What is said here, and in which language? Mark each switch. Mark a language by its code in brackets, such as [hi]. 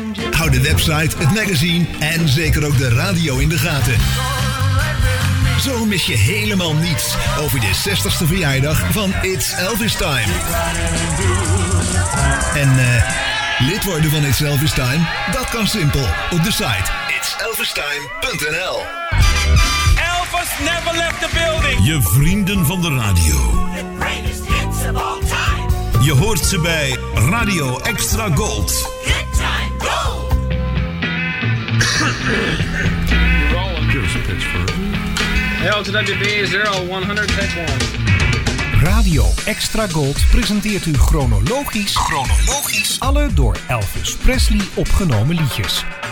[nl] Hou de website, het magazine en zeker ook de radio in de gaten. Zo mis je helemaal niets over de 60ste verjaardag van It's Elvis Time. En lid worden van It's Elvis Time? Dat kan simpel op de site itselvistime.nl. [en] Elvis never left the building. [nl] Je vrienden van de radio. [en] The greatest hits of all time. [nl] Je hoort ze bij Radio Extra Gold. [en] Rolling. Give us a pitch for L2WB0100-1. [nl] Radio Extra Gold presenteert u chronologisch alle door Elvis Presley opgenomen liedjes.